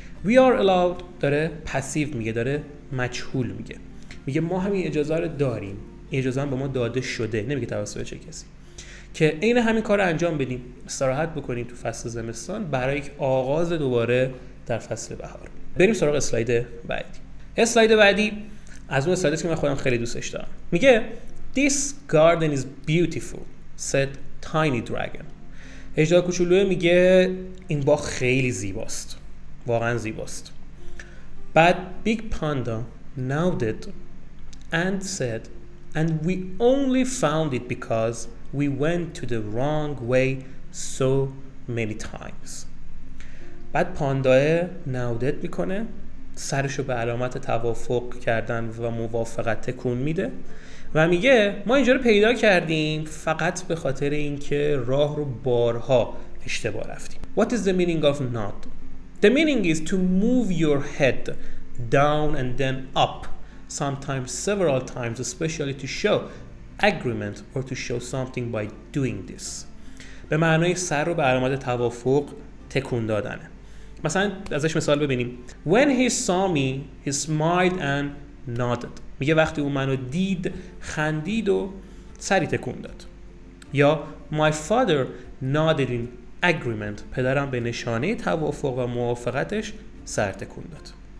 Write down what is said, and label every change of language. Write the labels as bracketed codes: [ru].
[en] we are allowed [fa] داره پسیو میگه، داره مجهول میگه، میگه ما همین اجازه رو داریم، اجازه هم به ما داده شده، نمیگه توسط چه کسی، که این همین کار رو انجام بدیم، استراحت بکنیم تو فصل زمستان برای یک آغاز دوباره در فصل بهار. بریم سراغ اسلاید بعدی. اسلاید بعدی از اون اسلایدی که من خودم خیلی دوستش دارم. [en] میگه this garden is beautiful said tiny dragon. [fa] اژدها کوچولو میگه این باغ خیلی زیباست، واقعا زیباست. [en] بعد big panda nodded and said and we only found it because we went to the wrong way so many times. [fa] بعد پاندایه نودت میکنه، سرشو به علامت توافق کردن و موافقت تکون میده و میگه ما اینجا رو پیدا کردیم فقط به خاطر اینکه راه رو بارها اشتباه رفتیم. [en] What is the meaning of not? The meaning is to move your head down and then up sometimes several times especially to show agreement or to show something by doing this. [fa] به معنای سر رو به علامت توافق تکون دادنه. مثلا ازش مثال ببینیم. [en] When he saw me he smiled and nodded. [fa] میگه وقتی اون منو دید خندید و سری تکون داد. [en] یا my father nodded in agreement. [fa] پدرم به نشانه توافق و موافقتش سر تکون داد.